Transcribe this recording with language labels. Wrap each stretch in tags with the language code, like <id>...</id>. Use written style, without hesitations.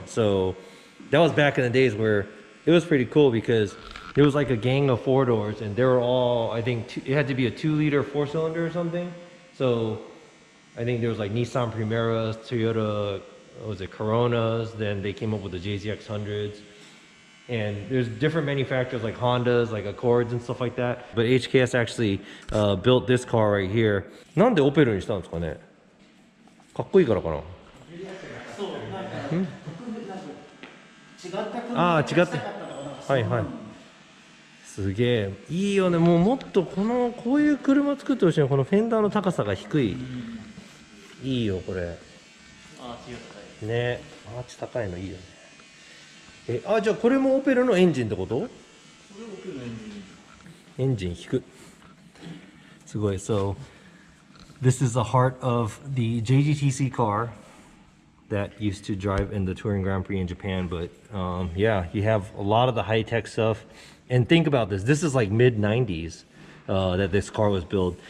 <en>So that was back in the days where it was pretty cool, because it was like a gang of four doors, and they were all, I think, it had to be a 2-liter four cylinder or something. So I think there was like Nissan Primeras, Toyota, what was it, Coronas, then they came up with the JZX100s. And there's different manufacturers like Hondas, like Accords and stuff like that. But HKS actually built this car right here.</en> <ja>なんでオペルにしたんですかね？かっこいいからかな？そう、なんか、ん？なんか、違った車にしたかったのかな？はいはい。すげえいいよね。もうもっとこのこういう車作ってほしいの。このフェンダーの高さが低い、いいよこれ。アーチが高いね。アーチ高いのいいよね。え、あ、じゃあこれもオペルのエンジンってこと？これオペルのエンジン。エンジン低く、すごい。</ja> <en>So this is the heart of the JGTC car that used to drive in the Touring Grand Prix in Japan, but yeah, you have a lot of the high tech stuffAnd think about this, this is like mid-90s that this car was built.</en>